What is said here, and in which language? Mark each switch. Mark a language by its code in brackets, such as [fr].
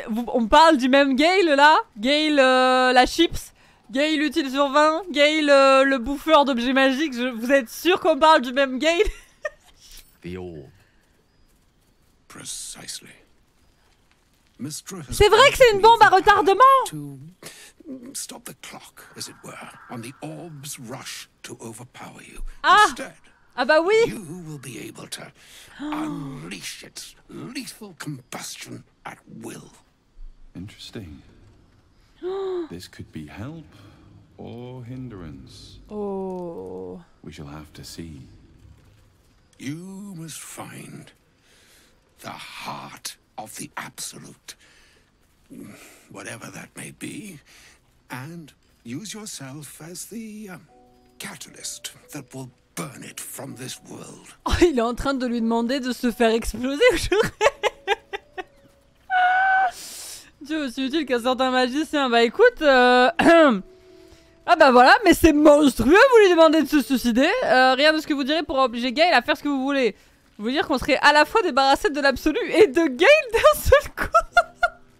[fr] On parle du même Gail là? Gail la chips? Gail utile sur 20? Gail le bouffeur d'objets magiques? Vous êtes sûr qu'on parle du même Gail? [en] The old. Precisely. [fr] C'est vrai que c'est une bombe à retardement. [en] Stop the clock, as it were, on the orb's rush to overpower you. Ah. Instead, [fr] ah bah oui. [en] You will be able to unleash its lethal combustion at will. Interesting. This could be help or hindrance. Oh. We shall have to see. You must find the heart of the absolute, whatever that may be, and use yourself as the catalyst that will burn it from this world. [fr] Oh, il est en train de lui demander de se faire exploser. Dieu aussi utile qu'un certain magicien. Bah écoute, ah bah voilà, mais c'est monstrueux, vous lui demandez de se suicider. Rien de ce que vous direz pourra obliger Gail à faire ce que vous voulez. Vous dire qu'on serait à la fois débarrassé de l'absolu et de Gail d'un seul coup.